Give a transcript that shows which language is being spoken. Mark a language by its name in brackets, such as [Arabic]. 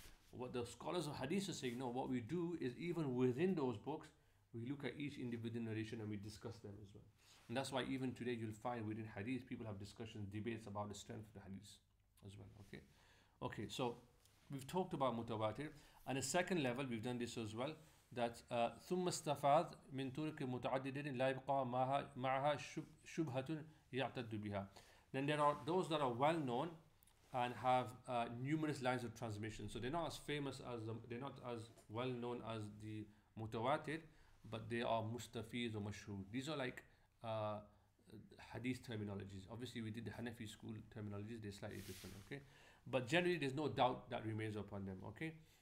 [English] What the scholars of Hadith are saying, no, what we do is, even within those books, we look at each individual narration and we discuss them as well. And that's why even today you'll find within Hadith, people have discussions, debates about the strength of the Hadith as well. Okay, so we've talked about mutawatir. And the second level, we've done this as well, that [Arabic] ثُمَّ اسْتَفَاذْ مِنْ تُرْكِ مُتَعَدِدِدٍ لَا يَبْقَى مَعَهَا شُبْهَةٌ يَعْتَدُّ بِهَا. [English] Then there are those that are well known and have numerous lines of transmission. So they're not as famous as, they're not as well known as the mutawatir, but they are mustafiz or mashhur. These are like hadith terminologies. Obviously, we did the Hanafi school terminologies, they're slightly different, okay? But generally, there's no doubt that remains upon them, okay?